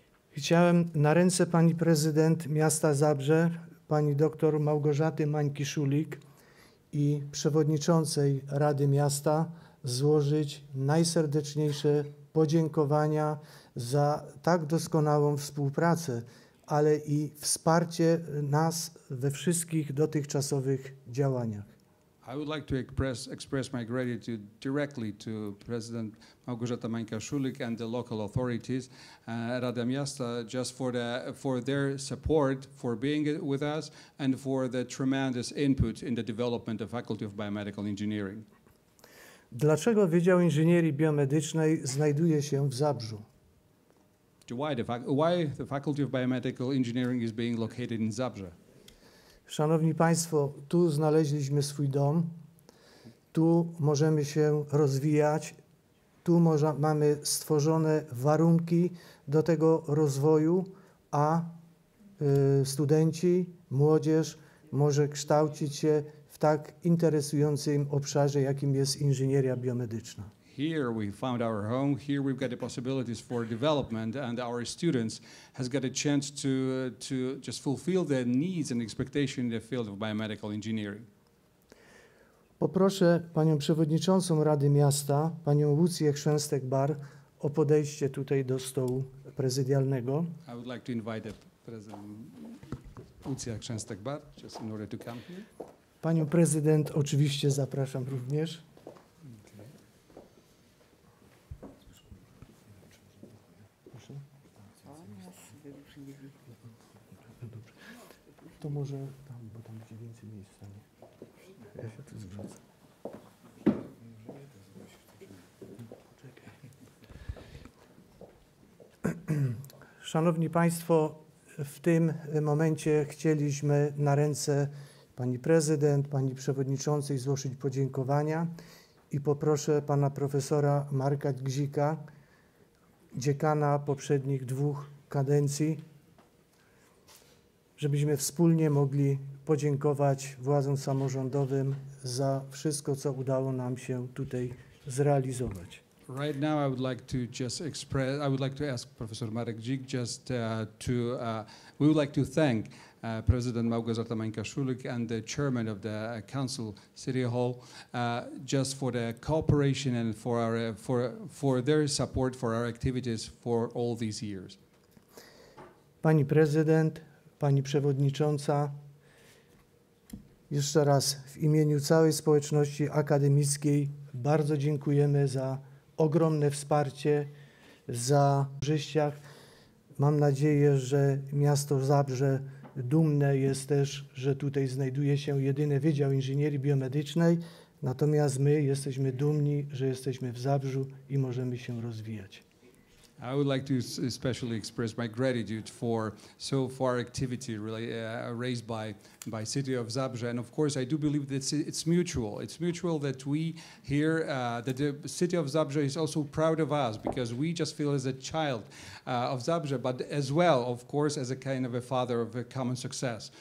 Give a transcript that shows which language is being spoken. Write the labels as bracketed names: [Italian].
[Polish] Chciałem na ręce pani prezydent miasta Zabrze, pani dr Małgorzaty Mańki-Szulik i przewodniczącej Rady Miasta złożyć najserdeczniejsze podziękowania za tak doskonałą współpracę, ale i wsparcie nas we wszystkich dotychczasowych działaniach. [English] I would like to express my gratitude directly to President Małgorzata Mańka-Szulik and the local authorities, Rada Miasta, just for their support, for being with us, and for the tremendous input in the development of Faculty of Biomedical Engineering. [Polish] Dlaczego Wydział Inżynierii Biomedycznej znajduje się w Zabrzu? [English] Why the Faculty of Biomedical Engineering is being located in Zabrze? [Polish] Szanowni Państwo, tu znaleźliśmy swój dom, tu możemy się rozwijać, tu mamy stworzone warunki do tego rozwoju, a studenci, młodzież może kształcić się w tak interesującym obszarze, jakim jest inżynieria biomedyczna. [English] Here we found our home. Here we've got the possibilities for development, and our students has got a chance to just fulfill their needs and expectation in the field of biomedical engineering. [Polish] Poproszę panią przewodniczącą Rady Miasta, panią Lucję Chrzęstek-Bar, o podejście tutaj do stołu prezydialnego. [English] I would like to invite the president Lucję Chrzęstek-Bar just in order to come here. [Polish] Panią prezydent oczywiście zapraszam również. To może tam, bo tam gdzie więcej miejsca nie. Ja się tu zwracam. Szanowni Państwo, w tym momencie chcieliśmy na ręce Pani Prezydent, Pani Przewodniczącej złożyć podziękowania i poproszę Pana Profesora Marka Gzika, dziekana poprzednich dwóch kadencji, żebyśmy wspólnie mogli podziękować władzom samorządowym za wszystko, co udało nam się tutaj zrealizować. [English] Right now I would like to just express, I would like to ask Professor Marek Dzik just we would like to thank President Małgorzata Mańka-Szulik and the chairman of the council city hall just for the cooperation and for our for their support for our activities for all these years. [Polish] Pani prezydent, pani przewodnicząca, jeszcze raz w imieniu całej społeczności akademickiej bardzo dziękujemy za ogromne wsparcie, za życiach. Mam nadzieję, że miasto Zabrze dumne jest też, że tutaj znajduje się jedyny Wydział Inżynierii Biomedycznej. Natomiast my jesteśmy dumni, że jesteśmy w Zabrzu i możemy się rozwijać. [English] I would like to especially express my gratitude for so far activity really raised by City of Zabrze, and of course I do believe that it's mutual. It's mutual that we here that the City of Zabrze is also proud of us because we just feel as a child of Zabrze, but as well, of course, as a kind of a father of a common success.